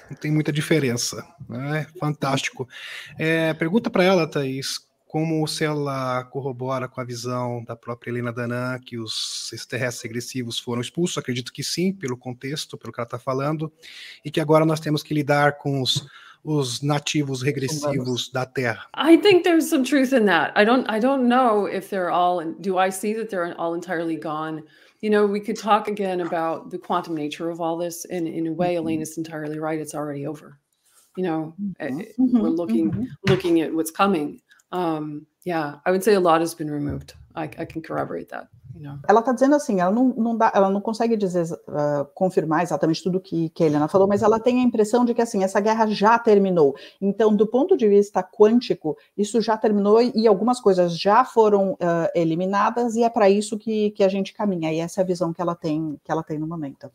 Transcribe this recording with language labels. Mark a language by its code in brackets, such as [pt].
[pt] Não tem muita diferença, né? Fantástico. Pergunta para ela, Thaís, como se ela corrobora com a visão da própria Helena Danan que os extraterrestres agressivos foram expulsos? Acredito que sim, pelo contexto, pelo que ela está falando. E que agora nós temos que lidar com os nativos regressivos da Terra. [en] I think there's some truth in that. I don't know if they're all... Do I see that they're all entirely gone? You know, we could talk again about the quantum nature of all this, and in a way, mm-hmm. Elaine is entirely right. It's already over. You know, mm-hmm. we're looking at what's coming. I would say a lot has been removed. I can corroborate that. [pt] Ela está dizendo assim, ela não consegue dizer, confirmar exatamente tudo que a Helena falou, mas ela tem a impressão de que assim, essa guerra já terminou. Então, do ponto de vista quântico, isso já terminou e algumas coisas já foram eliminadas, e é para isso que a gente caminha. E essa é a visão que ela tem no momento.